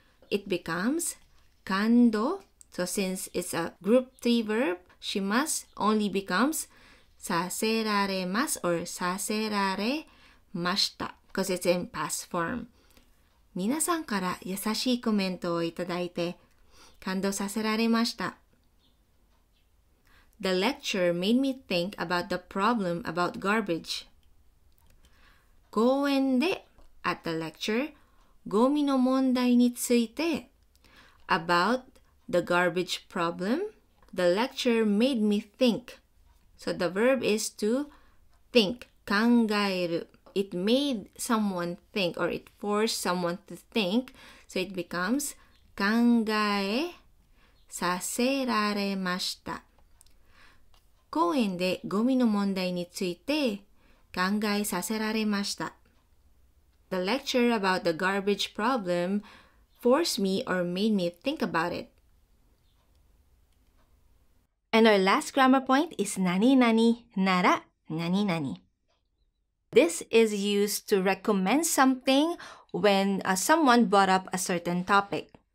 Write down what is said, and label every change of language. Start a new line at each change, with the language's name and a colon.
English: It becomes 感動 So since it's a group 3 verb, します only becomes させられますor させられました because it's in past form.
Japanese: 皆さんから優しいコメントをいただいて感動させられました。
English: The lecture made me think about the problem about garbage. 公園で at the lecture,
Japanese: ゴミの問題について
English: about the garbage problem. The lecture made me think. So the verb is to think, 考える. It made someone think or it forced someone to think. So it becomes 考えさせられました。
Japanese: 公園でゴミの問題について考えさせられました。
English: The lecture about the garbage problem forced me or made me think about it. And our last grammar point is 何々なら何々. This is used to recommend something when someone brought up a certain topic.